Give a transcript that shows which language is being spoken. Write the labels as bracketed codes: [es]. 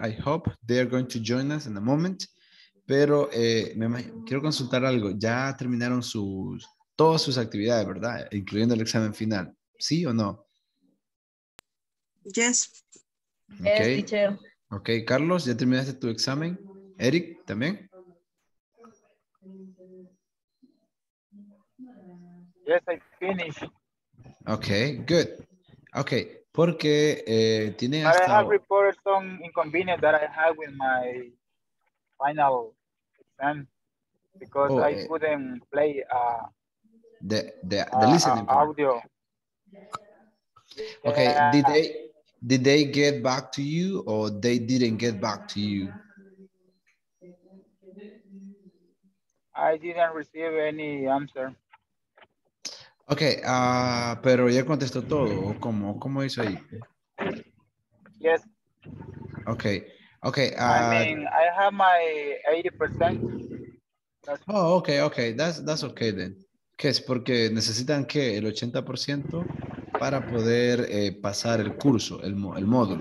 [en] I hope they are going to join us in a moment. [es] Pero quiero consultar algo. Ya terminaron todas sus actividades, ¿verdad? Incluyendo el examen final. ¿Sí o no? [en] Yes. Okay. Yes, teacher. [es] Okay, Carlos, ¿ya terminaste tu examen? Eric, ¿también? [en] Yes, I finished. Okay, good. Okay, [es] porque tiene hasta... [en] I have reported some inconvenience that I had with my final exam because I couldn't play the listening part. Audio. Okay, did they get back to you or they didn't get back to you? I didn't receive any answer. [es] Okay, pero ya contestó todo, ¿cómo hizo ahí? [en] Yes. Okay. I have my 80%. That's okay, that's okay then. [es] ¿Qué es? Porque necesitan, ¿qué? El 80% para poder pasar el curso, el módulo.